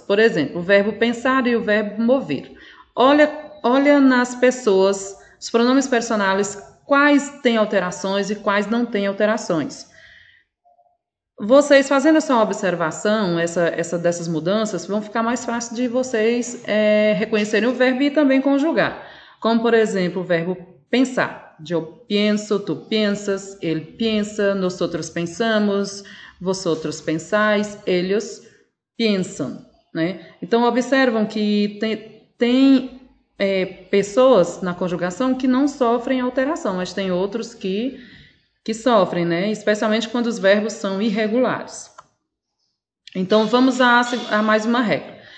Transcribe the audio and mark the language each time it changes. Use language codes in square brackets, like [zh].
[pt] Por exemplo, o verbo pensar e o verbo mover. Olha nas pessoas, os pronomes personais, quais têm alterações e quais não têm alterações. Vocês fazendo essa observação, dessas mudanças, vão ficar mais fácil de vocês reconhecerem o verbo e também conjugar. Como, por exemplo, o verbo pensar. [es] Yo pienso, tú piensas, él piensa, nosotros pensamos, vosotros pensáis, ellos piensan, né? [pt] Então, observam que tem pessoas na conjugação que não sofrem alteração, mas tem outros que sofrem, né? Especialmente quando os verbos são irregulares. Então, vamos a mais uma regra.